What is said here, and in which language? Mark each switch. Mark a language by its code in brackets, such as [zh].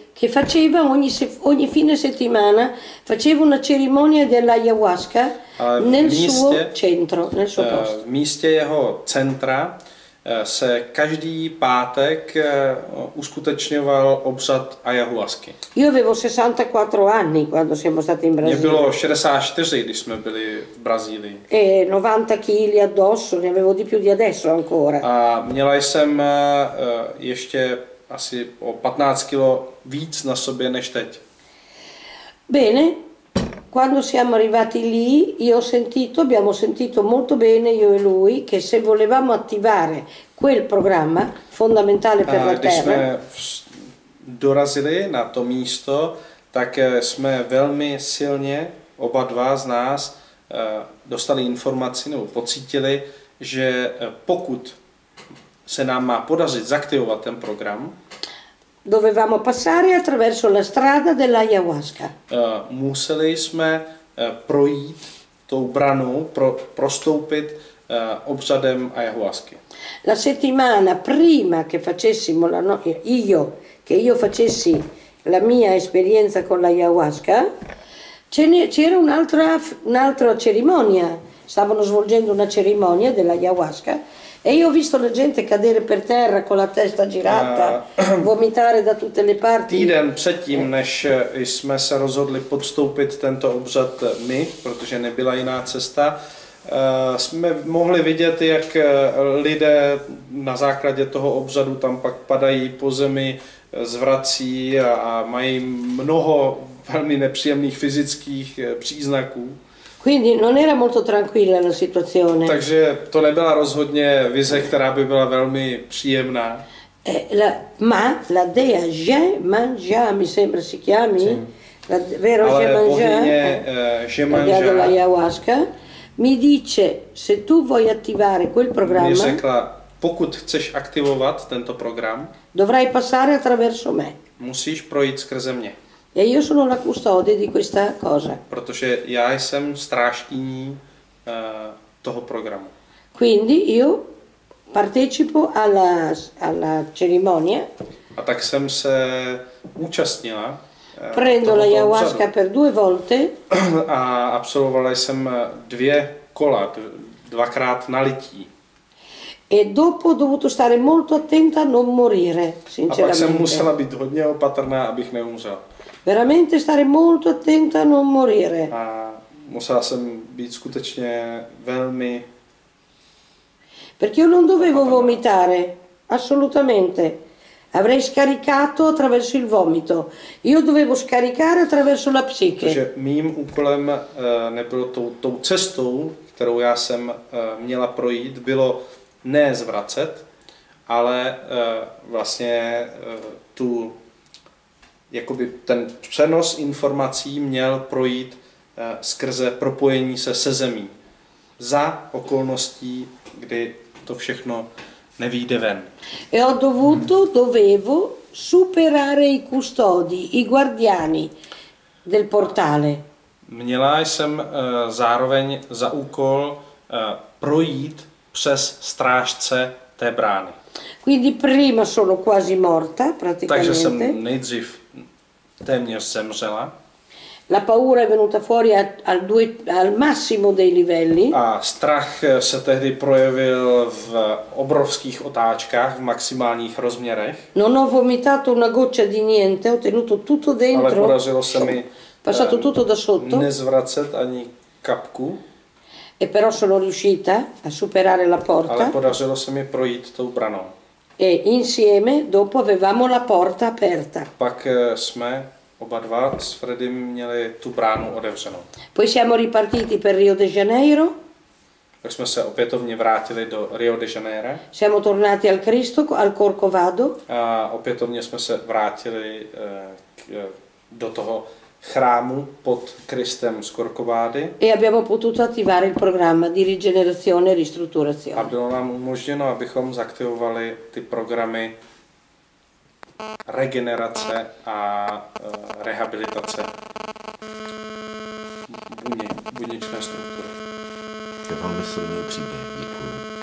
[it] Che faceva ogni fine settimana faceva una cerimonia dell'ayahuasca nel suo centro, nel suo posto. [cs] V místě jeho centra se každý pátek uskutečňoval obřad ayahuasky. [it] Io avevo 64 anni quando siamo stati in Brasile. [cs] Mě bylo 64, když jsme byli v Brazílii. [it] E 90 kg addosso, ne avevo di più di adesso ancora. [cs] A měla jsem ještě asi o 15 kg víc na sobě než teď. [it] Bene. Quando siamo arrivati lì, abbiamo sentito molto bene io e lui che se volevamo attivare quel programma fondamentale per la Terra. [cs] Když jsme dorazili na to místo, tak jsme velmi silně oba dva z nás dostali informaci nebo pocítili, že pokud se nám má podařit zaktivovat ten program, [it] dovevamo passare attraverso la strada dell'ayahuasca. [cs] Museli jsme projít tou branou, prostoupit obřadem ayahuasky. [it] La settimana prima che facessimo io che io facessi la mia esperienza con la ayahuasca, c'era un'altra cerimonia, stavano svolgendo una cerimonia della ayahuasca e io ho visto la gente cadere per terra con la testa girata, vomitare da tutte le parti. [cs] Týden předtím, než jsme se rozhodli podstoupit tento obřad my, protože nebyla jiná cesta, jsme mohli vidět, jak lidé na základě toho obřadu tam pak padají po zemi, zvrací a mají mnoho velmi nepříjemných fyzických příznaků. [it] Quindi non era molto tranquilla la situazione. [cs] Takže to nebyla rozhodně vize, která by byla velmi příjemná. [it] Ma la dea Gemangia, mi sembra si chiami, la vero Gemangia, Gemangia della ayahuasca, mi dice se tu vuoi attivare quel programma. [cs] Mi řekla, pokud chceš aktivovat tento program, [it] dovrai passare attraverso me. [cs] Musíš projít skrze mě. [it] E io sono la custode di questa cosa. [cs] Protože já jsem strážkyní toho programu. [it] Quindi io partecipo alla cerimonia. [cs] A tak jsem se účastnila. [it] Prendo la ayahuasca per due volte. [cs] A absolvovala jsem dvě kola, dvakrát nalití. [it] E dopo ho dovuto stare molto attenta a non morire, sinceramente. [cs] A pak jsem musela být hodně opatrná, abych neumřela. [it] Veramente stare molto attenta a non morire. [cs] A musela jsem být skutečně velmi. [it] Perché io non dovevo vomitare, assolutamente. Avrei scaricato attraverso il vomito. Io dovevo scaricare attraverso la psiche. [cs] Protože mým úkolem nebylo tou cestou, kterou já jsem měla projít, bylo ne zvracet, ale vlastně tu. Jakoby ten přenos informací měl projít skrze propojení se zemí. Za okolností, kdy to všechno nevyjde ven. [it] E ho dovuto, dovevo superare i custodi, i guardiani del portale. [cs] Měla jsem zároveň za úkol projít přes strážce té brány. [it] Quindi prima sono quasi morta, praticamente. [cs] Takže jsem nejdřív téměř zemřela. [it] La paura è venuta fuori al massimo dei livelli. [cs] A strach se tehdy projevil v obrovských otáčkách, v maximálních rozměrech. [it] Non ho vomitato una goccia di niente, ho tenuto tutto dentro. [cs] Ale podařilo se mi [it] passato tutto da sotto. [cs] Nezvracet ani kapku. [it] E però sono riuscita a superare la porta. [cs] Ale podařilo se mi projít tou branou. [it] E insieme dopo avevamo la porta aperta. [cs] Pak jsme oba dva s Fredim měli tu bránu otevřenou. [it] Poi siamo ripartiti per Rio de Janeiro. [cs] Pak jsme se opětovně vrátili do Rio de Janeiro. [it] Siamo tornati al Cristo, al Corcovado. [cs] A opětovně jsme se vrátili do toho chrámu pod Kristem z Corcovady. [it] E abbiamo potuto attivare il programma di rigenerazione e ristrutturazione. [cs] A bylo nám umožněno, abychom zaktivovali ty programy regenerace a rehabilitace buněčné struktury. To je velmi silný příběh, děkuji.